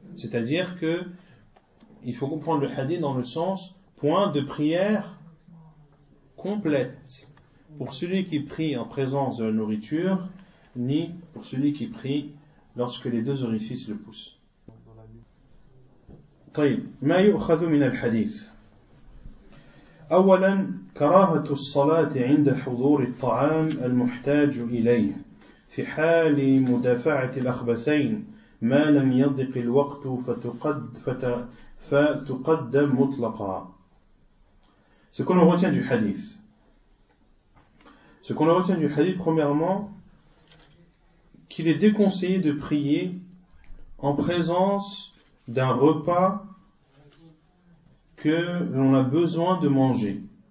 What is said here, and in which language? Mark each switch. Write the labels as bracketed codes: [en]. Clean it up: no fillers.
[fr] C'est-à-dire que il faut comprendre le hadith dans le sens point de prière complète pour celui qui prie en présence de la nourriture, ni pour celui qui prie lorsque les deux orifices le poussent. [ar] طيب ما يؤخذ من الحديث أولا كراهة الصلاة عند حضور الطعام المحتاج إليه في حال مدافعة الأخبثين ما لم يضق الوقت فتقدم مطلقا. [fr] Ce qu'on retient du hadith. Ce qu'on retient du hadith, premièrement, qu'il est déconseillé de prier en présence d'un repas que l'on a besoin de manger.